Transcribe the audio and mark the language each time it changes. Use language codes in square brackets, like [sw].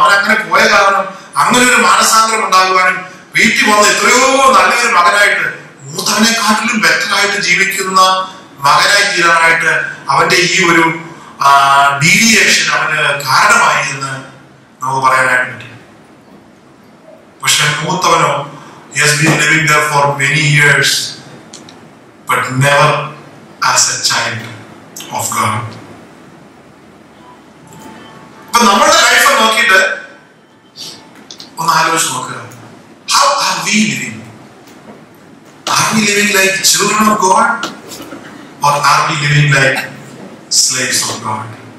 [ml] അവനങ്ങനെ പോയ കാരണം അങ്ങനെ ഒരു മാനസാന്തരം ഉണ്ടാകുവാനും വീട്ടിൽ വന്ന് എത്രയോ നല്ലൊരു മകനായിട്ട് മൂത്തവനെക്കാട്ടിലും ബെറ്ററായിട്ട് ജീവിക്കുന്ന മകനായി തീരാനായിട്ട് അവന്റെ ഈ ഒരു ഡീവിയേഷൻ അവന് കാരണമായി എന്ന് നമുക്ക് പറയാനായിട്ട് പറ്റും. പക്ഷെ മൂത്തവനോ [en] he has been living there for many years but never as a child of God. [ml] അപ്പൊ നമ്മുടെ ലൈഫ് നോക്കിയിട്ട് ഒന്ന് ആലോചിച്ച് നോക്കുക, [en] how are we living? Are we living like children of God or are we living like slaves of God?